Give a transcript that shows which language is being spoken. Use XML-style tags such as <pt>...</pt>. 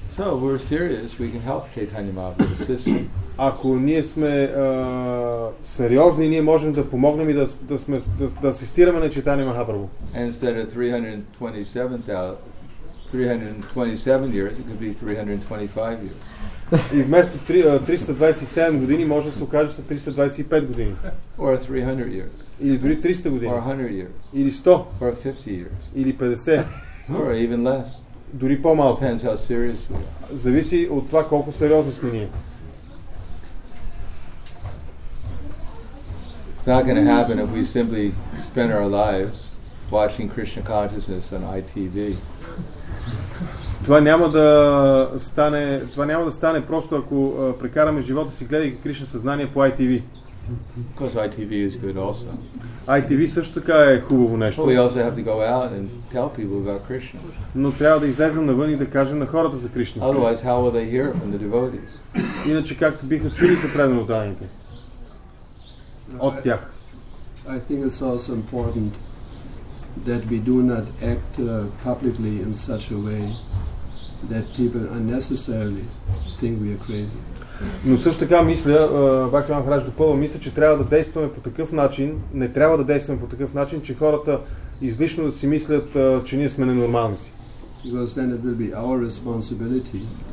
<en>So we're serious, we can help Chaitanya Mahaprabhu assist him.</en> <bg>Ако ние сме сериозни, ние можем да помогнем и да асистираме на Чайтанья Махапрабху.</bg> <en>And instead of 327 years, it could be 325 years.</en> <bg>И вместо 327 години може да се окаже са 325 години.</bg> <en>Or 300 years.</en> <bg>Или дори 300 години.</bg> <en>Or 100 years.</en> <bg>Или 100.</bg> <en>Or 50 years.</en> <bg>Или 50.</bg> <en>Or even less.</en> <bg>Дори по-малко.</bg> <en>Depends how serious we are.</en> <bg>Зависи от това колко сериозни сме ние.</bg> <en>It's not going to happen if we simply spend our lives watching Krishna consciousness on ITV.</en> <bg>Това няма да стане, това няма да стане просто ако прекараме живота си гледайки Кришна съзнание по ITV.</bg> <en>Because ITV is good also.</en> <bg>ITV също така е хубаво нещо.</bg> <en>We also have to go out and tell people about Krishna.</en> <bg>Но трябва да излезем навън и да кажем на хората за Кришна.</bg> <en>Otherwise, how will they hear from the devotees?</en> <bg>Иначе как биха чули за преданите? От тях.</bg> <en>I think it's also important that we do not act publicly in such a way that people unnecessarily think we are crazy.</en> <bg>Но също така мисля, Бхактиван Хараш допълва, мисля, че трябва да действаме по такъв начин, не трябва да действаме по такъв начин, че хората излишно да си мислят, че ние сме ненормални си.</bg> <en>Because then it will be our responsibility.</en>